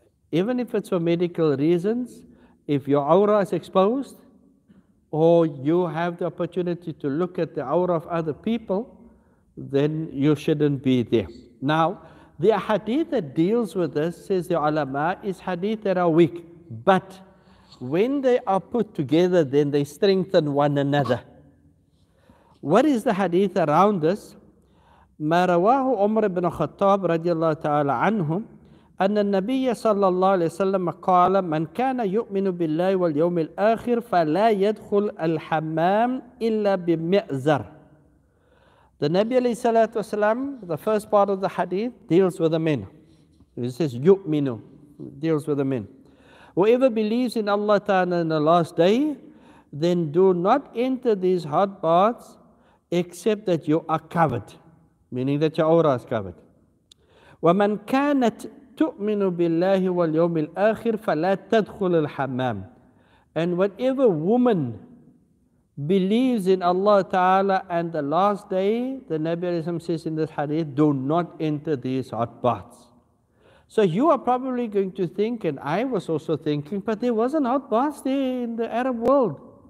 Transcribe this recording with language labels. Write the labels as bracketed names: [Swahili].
[English] Even if it's for medical reasons, if your aura is exposed, or you have the opportunity to look at the aura of other people, then you shouldn't be there. Now, the hadith that deals with this, says the ulama, is hadith that are weak. But when they are put together, then they strengthen one another. What is the hadith around this? [Arabic] مَا رَوَاهُ عُمْرِ بْنُ خَطَّابِ رَضِيَ اللَّهُ تَعَالَىٰ عَنْهُمْ أن النبي صلى الله عليه وسلم قال من كان يؤمن بالله واليوم الآخر فلا يدخل الحمام إلا بمئزر. [English] The Nabi [Arabic] عليه الصلاة والسلام, [English] the first part of the hadith deals with the men. He says يؤمن, deals with the men. Whoever believes in Allah Ta'ala in the last day, then do not enter these hot baths except that you are covered, meaning that your aura is covered. [Arabic] ومن كانت تؤمن بالله واليوم الآخر فلا تدخل الحمام. [English] And whatever woman believes in Allah Ta'ala and the last day, the Nabi says in this hadith, do not enter these hot baths. So you are probably going to think, and I was also thinking, but there wasn't hot baths there in the Arab world.